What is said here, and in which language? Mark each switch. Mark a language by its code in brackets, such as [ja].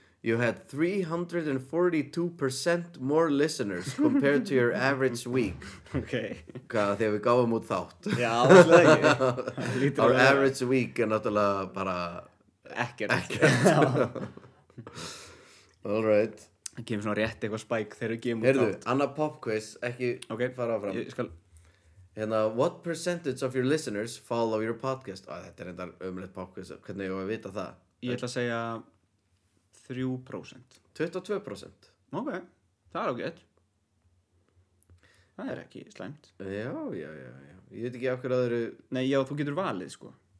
[en] You had 342% more listeners compared to your average week. Ok. [is] Hvað, þegar við gáfum út þátt. Já, allslega ekki. [en] Our average week [is] er náttúrulega bara... Ekkert. Ekkert. [en] All right. [is] Það kemur svona rétt eitthvað spike þegar við gefum út þátt. Heyrðu, annað pop quiz, ekki okay. fara áfram. Ég skal... Hérna, [en] what percentage of your listeners follow your podcast? [is] Á, þetta er endar ömulegt pop quiz, hvernig ég að vita það? Ég ætla að segja... 3% 22% Ok, það ágætt Það ekki slæmt Já, ég veit ekki af hverju að eru Nei, já, þú getur valið, sko